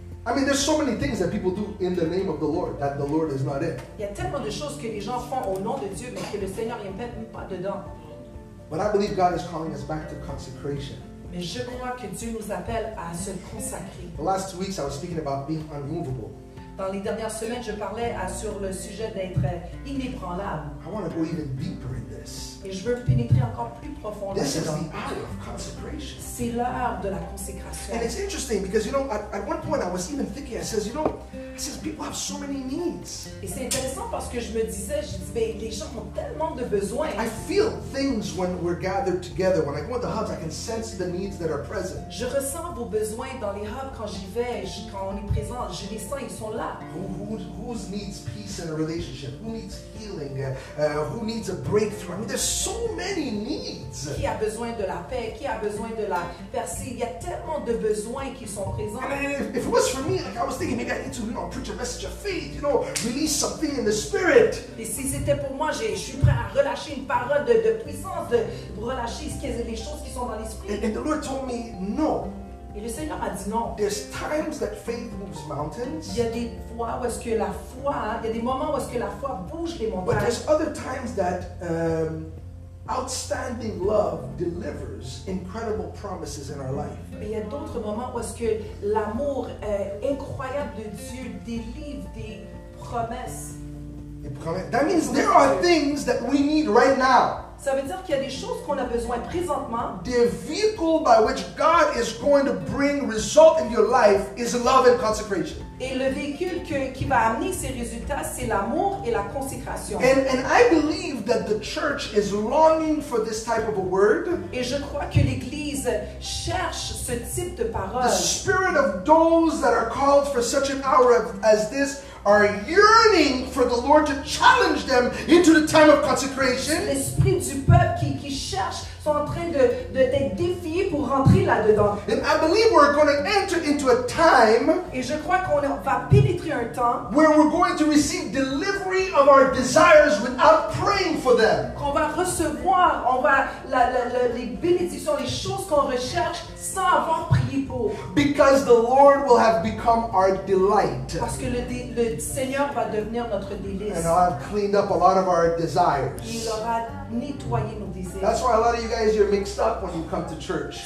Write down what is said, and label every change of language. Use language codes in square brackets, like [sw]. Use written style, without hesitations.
[en] I mean, there's so many things that people do in the name of the Lord that the Lord is not in. [fr] Il y a tellement de choses que les gens font au nom de Dieu mais que le Seigneur n'est même pas dedans. [en] But I believe God is calling us back to consecration. [fr] Mais je crois que Dieu nous appelle à se consacrer. [en] The last 2 weeks I was speaking about being unmovable. [fr] Dans les dernières semaines, je parlais sur le sujet d'être inébranlable. [en] I want to go even deeper in this. [fr] Et je veux pénétrer encore plus profondément. [en] This is the hour of consecration. [fr] C'est l'heure de la consécration. [en] And it's interesting because, you know, at one point I was even thinking, I says, people have so many needs. [fr] Et c'est intéressant parce que je me disais, mais les gens ont tellement de besoins. [en] I feel things when we're gathered together. When I go to the hubs, I can sense the needs that are present. [fr] Je ressens vos besoins dans les hubs quand j'y vais, quand on est présent, je les sens, ils sont là. [en] Who needs peace in a relationship? Who needs healing? Who needs a breakthrough? I mean, there's so many needs. [fr] Qui a besoin de la paix? Qui a besoin de la percée? Il y a tellement de besoins qui sont présents. [en] And if it was for me, like I was thinking, maybe I need to, you know, preach a message of faith, you know, release something in the spirit. [fr] Et si c'était pour moi, je suis prêt à relâcher une parole de puissance, de relâcher ce qu'est les choses qui sont dans l'esprit. [en] And the Lord told me no. [fr] Et le Seigneur m'a dit non. [en] There's times that faith moves mountains. [fr] Il y a des fois où est-ce que la foi, il y a des moments où est-ce que la foi bouge les montagnes. [en] But there's other times that outstanding love delivers incredible promises in our life. [fr] Mais il y a d'autres moments où est-ce que l'amour incroyable de Dieu délivre des promesses. [en] That means there are things that we need right now. [fr] Ça veut dire qu'il y a des choses qu'on a besoin présentement. [en] The vehicle by which God is going to bring result in your life is love and consecration. [fr] Et le véhicule que, qui va amener ces résultats, c'est l'amour et la consécration. [en] And I believe that the church is longing for this type of a word. [fr] Et je crois que l'Église cherche ce type de parole. [en] The spirit of those that are called for such an hour as this are yearning for the Lord to challenge them into the time of consecration. [fr] L'esprit du peuple qui cherche sont en train d'être défiés pour rentrer là-dedans. [en] And I believe we're going to enter into a time. [fr] Et je crois qu'on va pénétrer un temps [en] where we're going to receive delivery of our desires without praying for them. [fr] Qu'on va recevoir, on va les bénédictions, les choses qu'on recherche sans avoir prié pour. [en] Because the Lord will have become our delight. [fr] Parce que le Seigneur va devenir notre délice. [en] And I've cleaned up a lot of our desires. [fr] Il aura nettoyé nos désirs. [en] That's why a lot of you guys are mixed up when you come to church.